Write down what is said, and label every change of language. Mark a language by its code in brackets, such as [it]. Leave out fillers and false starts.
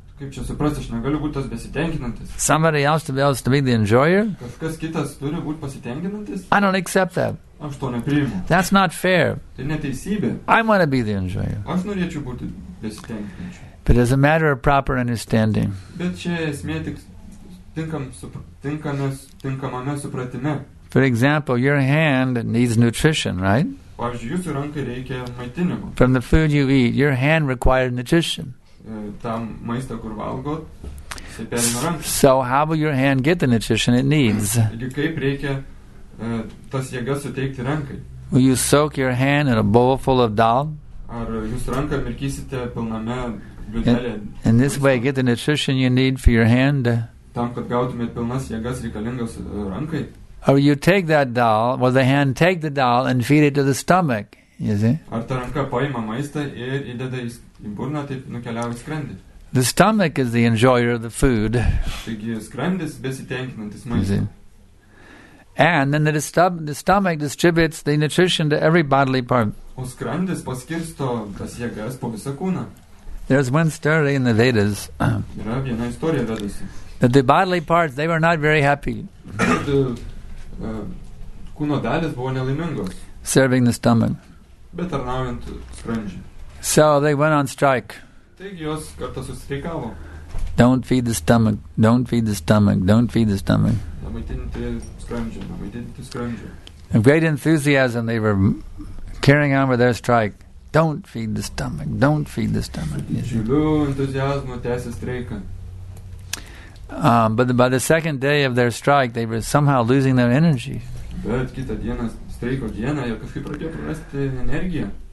[lt] Kaip čia suprasti, aš negaliu būti tas besitenkinantis. [en] Somebody else to be able to be the enjoyer? [lt] Kažkas kitas turi būti pasitenkinantis? [en] I don't accept that. [lt] Aš to nepriimu. [en] That's not fair. [lt] Tai neteisybė. [en] I want to be the enjoyer. [lt] Aš norėčiau būti besitenkinančiu. [en] But as a matter of proper understanding. [lt] Bet čia esmė tik tinkamame supratime. [en] For example, your hand needs nutrition, right? [lt] Pavyzdžiui, jūsų rankai reikia maitinimo. [en] From the food you eat, your hand requires nutrition. [lt] Tam maistą, kur valgo, pasipelino ranką. [en] So how will your hand get the nutrition it needs? [lt] Ir kaip reikia tas jėgas suteikti rankai? [en] Will you soak your hand in a bowl full of dal? [lt] Ar jūs ranką mirkysite pilname biudelė? [en] In this way, get the nutrition you need for your hand. [lt] Tam, kad gautumėt pilnas jėgas reikalingas rankai? [en] Or you take that doll, or the hand take the doll and feed it to the stomach, you see? [lt] Ar ta ranka paima maistą ir įdeda į burną, taip nukeliavo į skrandį. [en] The stomach is the enjoyer of the food. [lt] Taigi skrandis besitenkinantis maistą. [en] And then the stomach distributes the nutrition to every bodily part. [lt] O skrandis paskirsto tas jėgas po visą kūną. [en] There's one story in the Vedas. [lt] Yra viena istorija Vedose. [en] That the bodily parts, they were not very happy. [lt] Kūno dalis buvo nelaimingos. [en] Serving the stomach. [lt] Bet tarnaujant skrandžiui. [en] So they went on strike. [lt] Taigi jos kartą susitreikavo. [en] Don't feed the stomach, don't feed the stomach, don't feed the stomach. [lt] Nemaitinti skrandžio, nemaitinti skrandžio. [en] In great enthusiasm they were carrying on with their strike. Don't feed the stomach, don't feed the stomach. [lt] Didžiuliu entuziazmu tęsė streiką. [en] But by the second day of their strike, they were somehow losing their energy. [lt] Bet kitą dieną, streiko dieną, jie kažkaip pradėjo prarasti energiją.